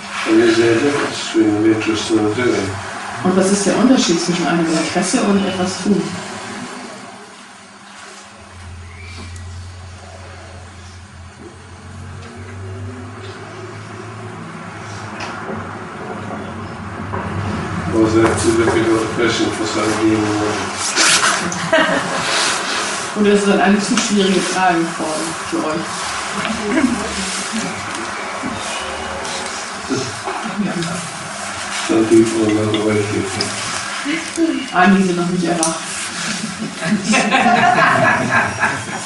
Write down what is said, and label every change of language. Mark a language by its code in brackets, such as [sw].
[en] And is there a difference between an interest and a doing? [de] Und was ist der Unterschied zwischen einem Interesse und etwas tun? [en] Was that too difficult a question for some being? [de] Oder ist das eine zu schwierige Frage für euch? [en] Ja. Some people are not awake yet. [de] Einige sind noch nicht erwacht.